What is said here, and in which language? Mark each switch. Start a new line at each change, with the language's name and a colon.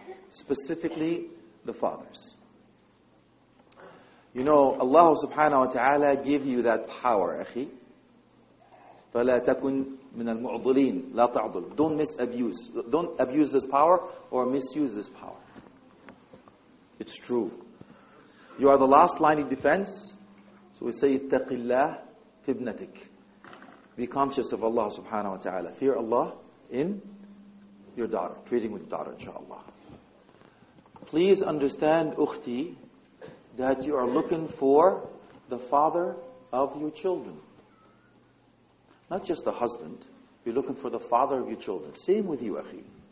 English: Specifically, the fathers. You know, Allah subhanahu wa ta'ala gave you that power, akhi.
Arabic: فَلَا تَكُنْ مِنَ الْمُعْضُلِينَ لَا تَعْضُلُ.
English: Don't misabuse. Don't abuse this power or misuse this power. It's true. You are the last line of defense. So we say,
Arabic: اتَّقِ اللَّهِ فِي ابْنَتِكَ.
English: Be conscious of Allah subhanahu wa ta'ala. Fear Allah in your daughter. Treating with your daughter, inshaAllah. Please understand, ukhti, that you are looking for the father of your children. Not just the husband, you're looking for the father of your children. Same with you, akhi.